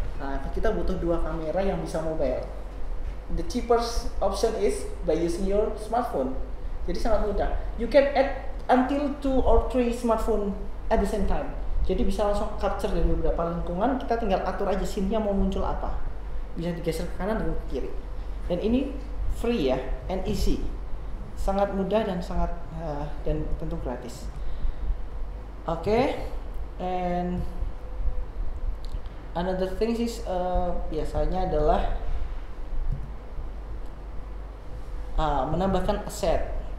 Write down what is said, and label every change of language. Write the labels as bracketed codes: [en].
[id] Nah, kita butuh dua kamera yang bisa mobile. [en] The cheapest option is by using your smartphone. [id] Jadi sangat mudah. [en] You can add until 2 or 3 smartphone at the same time. [id] Jadi bisa langsung capture dari beberapa lingkungan. Kita tinggal atur aja scene-nya mau muncul apa. Bisa digeser ke kanan dan ke kiri. Dan ini free ya, [en] and easy. [id] Sangat mudah dan sangat dan tentu gratis. Oke, okay. [en] And another thing is [id] biasanya adalah menambahkan aset.